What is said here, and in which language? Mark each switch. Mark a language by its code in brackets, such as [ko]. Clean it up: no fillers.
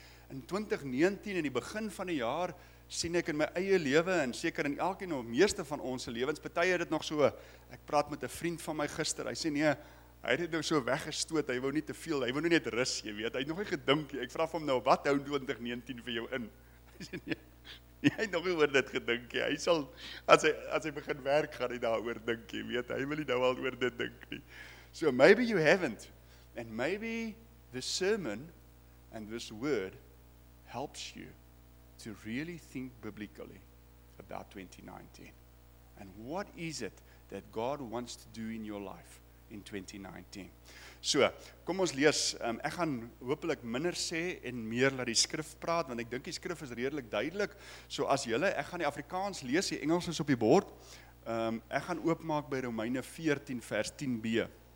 [af] In 2019, in die begin van die jaar, sien ek in my eie lewe, en seker in elkeen of meeste van ons lewens, party het dit nog so, ek praat met 'n vriend van my gister, hy sê nee, hy het nou so weggestoot, hy wou nie te veel, hy wou nie net rus, jy weet, hy het nog nie gedink, ek vraag hom nou, wat hou 2019 vir jou in? Hy sê nee, hy het nog nie oor dit gedink, hy sal, as hy begin werk, gaan hy daar oor dink, jy weet, hy wil nie nou al oor dit dink nie. [en] So maybe you haven't, and maybe the sermon and this word helps you to really think biblically about 2019. And what is it that God wants to do in your life in 2019? [af] So, kom ons lees. Ek gaan hopelik minder sê en meer laat die skrif praat, want ek dink die skrif is redelik duidelik. So as julle, ek gaan die Afrikaans lees, die Engels is op die bord. Ek gaan oopmaak by Romeine 14 vers 10b.